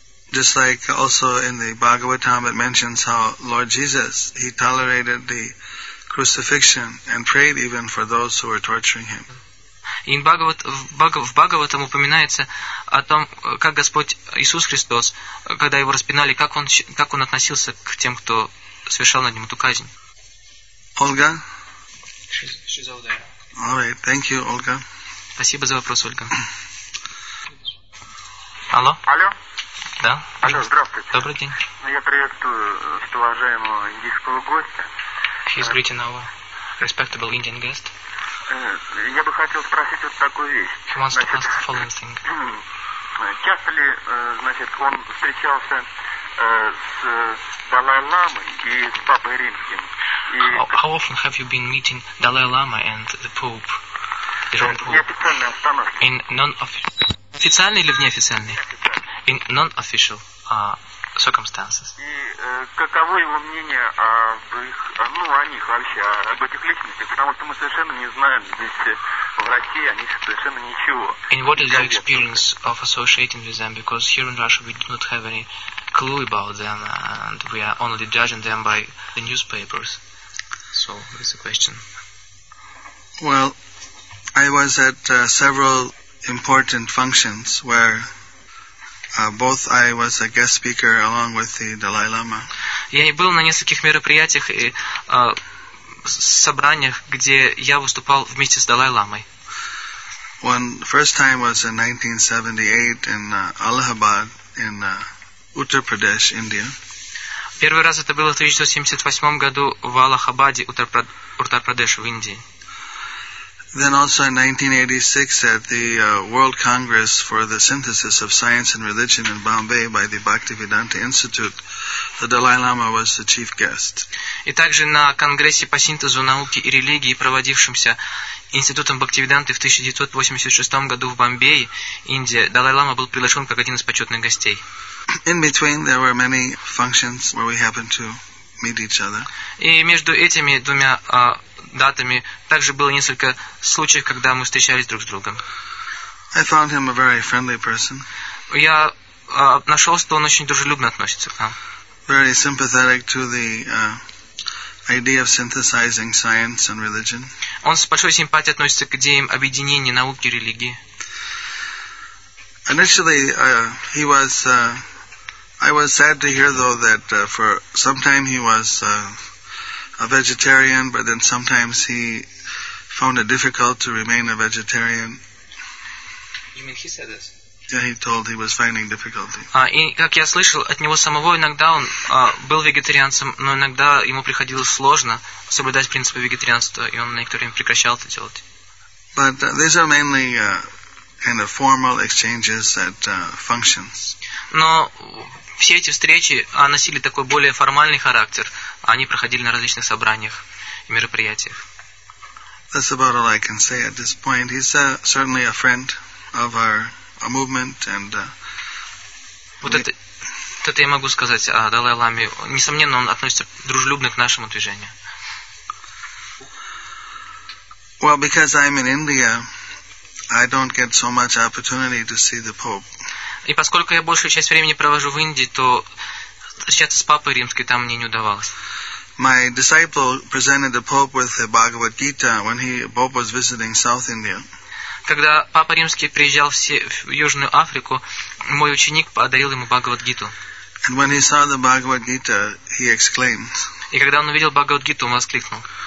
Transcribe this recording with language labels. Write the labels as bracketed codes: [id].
[en] Just like also in the Bhagavatam, it mentions how Lord Jesus, he tolerated the crucifixion and prayed even for those who were torturing him. [ru] В Бхагаватам упоминается о том, как Господь Иисус Христос, когда его распинали, как он относился к тем, кто совершал над ним эту казнь. Ольга? [en] She's all there. All right, thank you, Olga. [ru] Спасибо за вопрос, Ольга. Алло? Алло? Да. Алло, здравствуйте. Добрый день. Я приветствую уважаемого индийского гостя. [en] He's greeting our respectable Indian guest. [ru] Я бы хотел спросить вот такую вещь. [en] He wants to ask the following thing. [ru] Часто ли, он встречался с Далай-ламой и с Папой Римским? [en] How often have you been meeting Далай-лама and the Pope? In non-official [ru] или в неофициальной? [en] In non-official circumstances. [ru] И каково его мнение о них вообще, об этих личностях? Потому что мы совершенно не знаем здесь в России о них совершенно ничего. [en] And what is your experience of associating with them? Because here in Russia we do not have any clue about them, and we are only judging them by the newspapers. So this is a question. Well, I was at several important functions where both I was a guest speaker along with the Dalai Lama. [ru] Я был на нескольких мероприятиях и собраниях, где я выступал вместе с Далай-ламой. [en] One first time was in 1978 in Allahabad in Uttar Pradesh, India. [ru] Первый раз это было в 1978 году в Аллахабаде, Уттар-Прадеш, в Индии. [en] Then also in 1986 at the World Congress for the Synthesis of Science and Religion in Bombay by the Bhaktivedanta Institute, the Dalai Lama was the chief guest. [ru] И также на конгрессе по синтезу науки и религии, проводившемся Институтом Бхактивиданты в 1986 году в Бомбее, Индия, Далай Лама был приглашен как один из почетных гостей. [en] In between, there were many functions where we happened to meet each other. [ru] И между этими двумя датами также было несколько случаев, когда мы встречались друг с другом. [en] I found him a very friendly person. [ru] Я нашел, что он очень дружелюбно относится к нам. [en] Very sympathetic to the idea of synthesizing science and religion. [ru] Он с большой симпатией относится к идеям объединения науки и религии. [en] Initially, he was. I was sad to hear, though, that for some time he was a vegetarian, but then sometimes he found it difficult to remain a vegetarian. You mean he said this? Yeah, he told he was finding difficulty. [ru] И как я слышал от него самого, иногда он был вегетарианцем, но иногда ему приходилось сложно соблюдать принципы вегетарианства, и он на некоторое время прекращал это делать. [en] But these are mainly kind of formal exchanges that functions. [ru] Но все эти встречи носили такой более формальный характер. Они проходили на различных собраниях и мероприятиях. [en] That's about all I can say at this point. He's certainly a friend of our movement and [ru] Вот это я могу сказать о Далай-ламе. Несомненно, он относится дружелюбно к нашему движению. [en] Well, because I'm in India, I don't get so much opportunity to see the Pope. [ru] И поскольку я большую часть времени провожу в Индии, то встречаться с Папой Римским там мне не удавалось. [en] My disciple presented the Pope with the Bhagavad Gita when the Pope was visiting South India. [ru] Когда Папа Римский приезжал в Южную Африку, мой ученик подарил ему Бхагавад-гиту. [en] And when he saw the Bhagavad-gita, he exclaimed. [ru] И когда он увидел Бхагавад-гиту, он воскликнул.